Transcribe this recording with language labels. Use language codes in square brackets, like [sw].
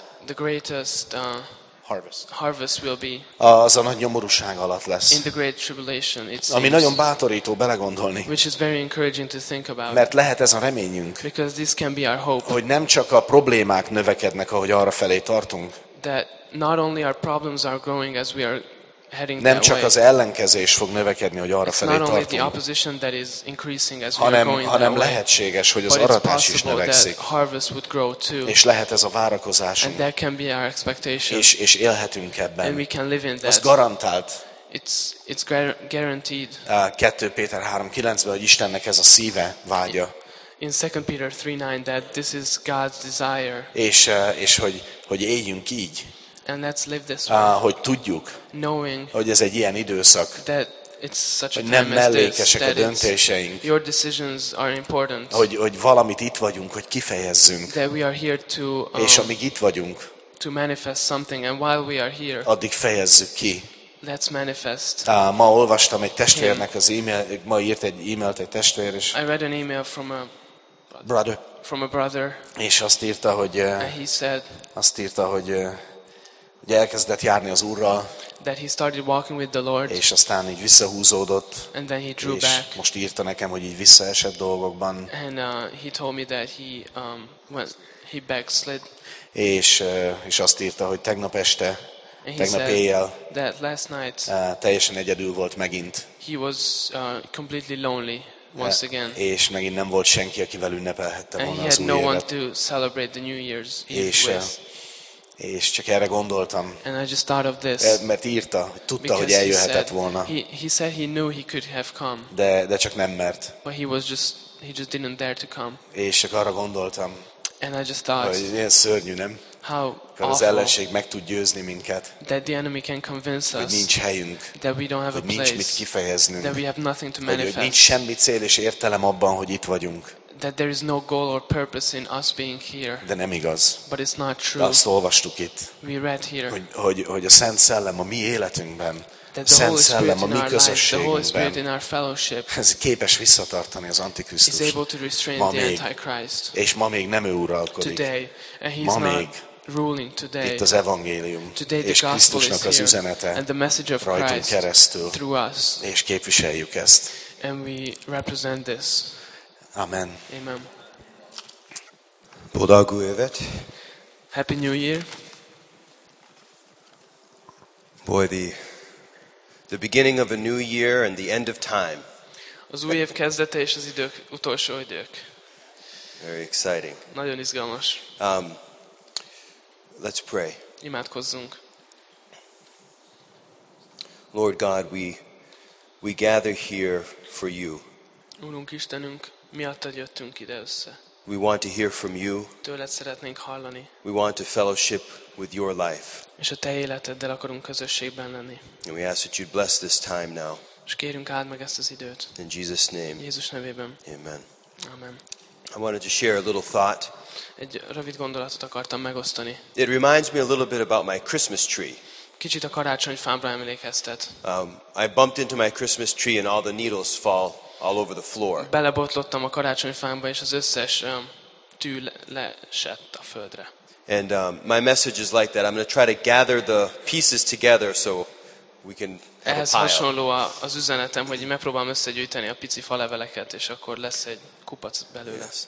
[en] The greatest harvest will be [hu] az a nagy nyomorúság alatt lesz. [en] In the great tribulation, it seems, [hu] ami nagyon bátorító belegondolni. [en] Which is very encouraging to think about. [hu] Mert lehet ez a reményünk. [en] Because this can be our hope. [hu] Hogy nem csak a problémák növekednek, ahogy arra felé tartunk. [en] That not only our problems are growing as we are heading, [hu] nem csak az ellenkezés fog növekedni, hogy arra felé tartunk. [en] The opposition that is increasing as [hu] hanem lehetséges, [en] way, [hu] hogy az aratás is növekszik. [en] Harvest would grow too. [hu] És lehet ez a várakozásunk. [en] And there can be our expectation. [hu] És élhetünk ebben. [en] And we can live in that. [hu] Az garantált. [en] It's guaranteed. [hu] 2 Péter 3:9-ben, hogy Istennek ez a szíve vágya. [en] In 2 Peter 3:9 that this is God's desire. [hu] És hogy éljünk így. [en] And let's live this [hu] way, hogy tudjuk, [en] knowing, [hu] hogy ez egy ilyen időszak, [en] that it's such a [hu] hogy [en] time [hu] nem mellékesek [en] this, [hu] a döntéseink, [en] your decisions are important, [hu] hogy valamit itt vagyunk, hogy kifejezzünk, [en] that we are here to, [hu] és amíg itt vagyunk, [en] to manifest something, and while we are here, [hu] addig fejezzük ki. [en] Let's manifest. [hu] Ma olvastam egy testvérnek az e-mail, ma írt egy e-mailt egy testvér, és [en] I read an email from a brother. From a brother. [hu] És azt írta, hogy [en] he said, [hu] azt írta, hogy ugye elkezdett járni az Úrral, [en] that he started walking with the Lord, [hu] és aztán így visszahúzódott, [en] and then he drew [hu] és [en] back. [hu] Most írta nekem, hogy így visszaesett dolgokban, [en] and he told me that he went, he backslid, [hu] és azt írta, hogy tegnap este, [en] and [hu] tegnap [en] he said [hu] éjjel, [en] that last night, [hu] teljesen egyedül volt megint, [en] he was completely lonely once again, [hu] és megint nem volt senki, akivel ünnepelhette volna [en] and [hu] az új évet, [en] he had no one to celebrate the New Year's Eve [hu] with. És csak erre gondoltam, [en] and I just thought of this, [hu] mert írta, hogy tudta, [en] because [hu] hogy eljöhetett [en] he said, [hu] volna. [en] He said he knew he could have come, [hu] de csak nem mert. [en] But he was just, he just didn't dare to come. [hu] És csak arra gondoltam, [en] and I just thought, [hu] hogy ilyen szörnyű, nem? [en] How [hu] awful, az ellenség meg tud győzni minket, [en] that the enemy can convince [hu] hogy nincs helyünk, [en] that we don't have [hu] hogy [en] a place, [hu] nincs mit kifejeznünk, [en] that we have nothing to manifest, [hu] hogy nincs semmi cél és értelem abban, hogy itt vagyunk. [en] That there is no goal or purpose in us being here. [hu] De nem igaz. [en] But it's not true. [hu] De azt olvastuk itt. [en] We read here. [hu] Hogy a Szent Szellem a mi életünkben, a Szent Szellem a mi közösségünkben, ez képes visszatartani az Antikrisztust. [en] Is able to restrain the Antichrist. [hu] És ma még nem ő uralkodik. [en] Today, and he's [hu] ma még [en] not ruling today. [hu] Itt az evangélium, [en] today [hu] és Krisztusnak az üzenete, [en] and the message of [hu] rajtunk [en] Christ [hu] keresztül, [en] through us. [hu] És képviseljük ezt. [en] And we represent this. [hu] Amen. [en] Amen. [hu] Boldog új évet. [en] Happy New Year. Boy, the beginning of a new year and the end of time. [hu] Az új év kezdete és az idők utolsó idők. [en] Very exciting. [hu] Nagyon izgalmas. [en] Let's pray. [hu] Imádkozzunk. [en] Lord God, we gather here for you. [hu] Úrunk Istenünk, miattad jöttünk ide össze. [en] We want to hear from you. [hu] Tőled szeretnénk hallani. [en] We want to fellowship with your life. [hu] És a te életeddel akarunk közösségben lenni. [en] And we ask that you'd bless this time now. [hu] És kérünk, áld meg ezt az időt. [en] In Jesus' name. [hu] Jézus nevében. [en] Amen. [hu] Amen. [en] I wanted to share a little thought. [hu] Egy rövid gondolatot akartam megosztani. [en] It reminds me a little bit about my Christmas tree. [hu] Kicsit a karácsonyfámra emlékeztet. [en] I bumped into my Christmas tree and all the needles fall all over the floor. [hu] Belebotlottam a karácsonyfámba, és az összes tű leesett a földre. [en] And my message is like that. I'm going to try to gather the pieces together so we can have [hu] ehhez a pile. Ehhez hasonló az üzenetem, hogy megpróbálom összegyűjteni a pici faleveleket, és akkor lesz egy kupac belőle.